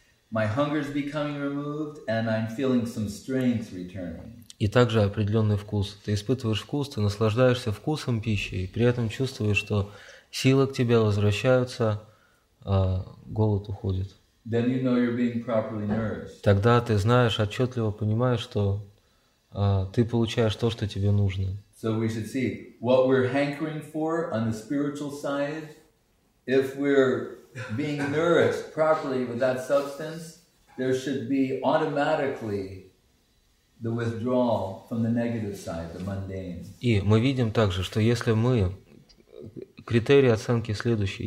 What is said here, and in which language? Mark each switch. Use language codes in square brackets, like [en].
[en] My hunger is becoming removed, and I'm feeling some strength returning. [ru] И также определенный вкус. Ты испытываешь вкус, ты наслаждаешься вкусом пищи, и при этом чувствуешь, что силы к тебе возвращаются. Голод уходит. [en] Then you know you're being properly nourished. [ru] Тогда ты знаешь, отчетливо понимаешь, что ты получаешь то, что тебе нужно. [en] So we should see what we're hankering for on the spiritual side. If we're being nourished properly with that substance, there should be automatically the withdrawal from the negative side, the mundane. [ru] И мы видим также, что если мы критерий оценки следующий.